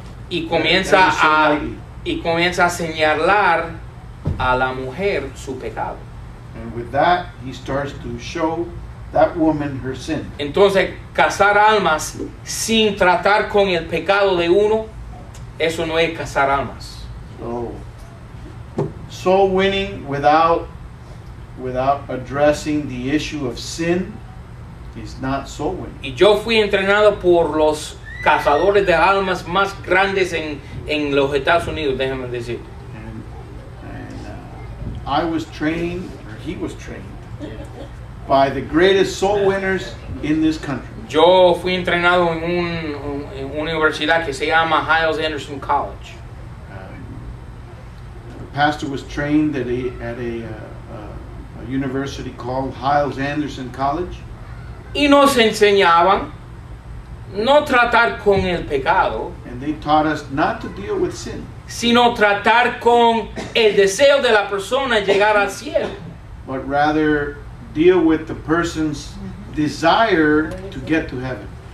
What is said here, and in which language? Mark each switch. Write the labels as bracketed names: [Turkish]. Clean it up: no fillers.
[Spanish] Y comienza a señalar a la mujer su pecado. [English] And with that, he starts to show that woman her sin. [Spanish] Entonces, cazar almas sin tratar con el pecado de uno, eso no es cazar almas. [English] So, soul winning without addressing the issue of sin is not soul winning. [Spanish] Y yo fui entrenado por los cazadores de almas más grandes en los Estados Unidos, déjame decir. [English] And I was trained, or he was trained, by the greatest soul winners in this country. [Spanish] Yo fui entrenado en una universidad que se llama Hiles Anderson College. [English] The pastor was trained at a university called Hiles Anderson College. [Spanish] Y nos enseñaban no tratar con el pecado, [English] and they taught us not to deal with sin, [Spanish] sino tratar con el deseo de la persona llegar al cielo. [English] But rather deal with the person's desire to get to heaven.